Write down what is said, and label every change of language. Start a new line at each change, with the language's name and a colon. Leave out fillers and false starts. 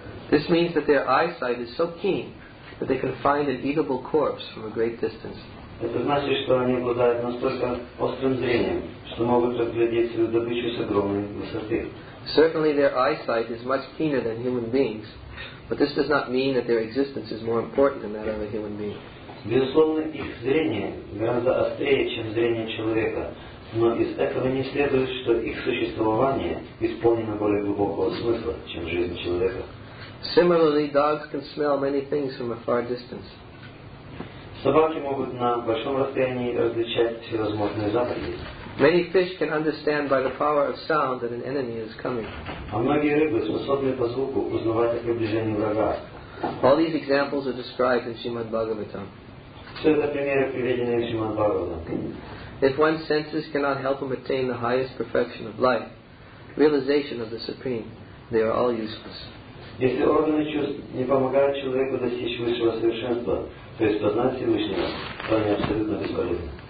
English: This means that their eyesight is so keen that they can find an eatable corpse from a great distance.
Russian: Это значит, что они обладают настолько острым зрением, что могут разглядеть свою добычу с огромной высоты.
English: Certainly their eyesight is much keener than human beings, but this does not mean that their existence is more important than that of a human being.
Russian: Безусловно, их зрение гораздо острее, чем зрение человека, но из этого не следует, что их существование исполнено более глубокого смысла, чем жизнь человека.
English: Similarly, dogs can smell many things from a far distance.
Russian: Собаки могут на большом расстоянии различать всевозможные запахи.
English: Many fish can understand by the power of sound that an enemy is coming.
Russian: А многие рыбы способны по звуку узнавать о приближении врага.
English: All these examples are described in Srimad Bhagavatam.
Russian: Все это примеры приведены в Шримад Бхагаватам.
English: If one's senses cannot help him attain the highest perfection of life, realization of the Supreme, they are all useless.
Russian: Если органы чувств не помогают человеку достичь высшего совершенства, то есть познать Всевышнего, то они абсолютно бесполезны.